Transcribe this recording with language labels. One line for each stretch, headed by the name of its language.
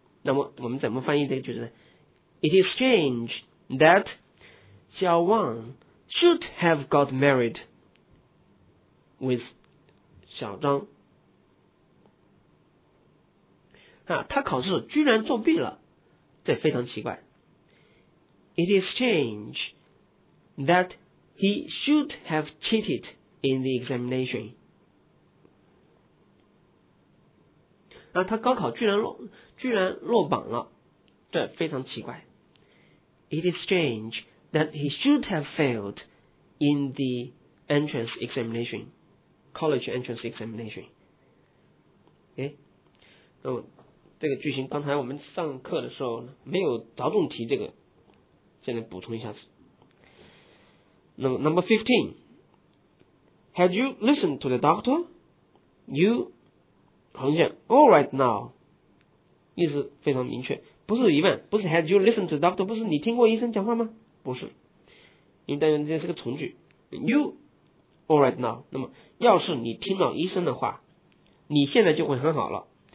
Chinese: 那么我们怎么翻译这个句子呢？
English: It is strange that
Chinese: 小王
English: should have got married with
Chinese: 小张啊，他考试居然作弊了，这非常奇怪。
English: It is strange that he should have cheated in the examination
Chinese: 啊，他高考居然落榜了，这非常奇怪。
English: It is strange that he should have failed in the entrance examination college entrance examination。
Chinese: 诶，那么这个句型刚才我们上课的时候没有着重提这个，现在补充一下子。
English: Number 15 Had you listened to the doctor?
Chinese: You 横线
English: All right now
Chinese: 意思非常明确，不是疑问，不是
English: Had you listened to the doctor
Chinese: 不是你听过医生讲话吗？不是，因为当然这是个从句，
English: You All right now
Chinese: 那么要是你听到医生的话，你现在就会很好了。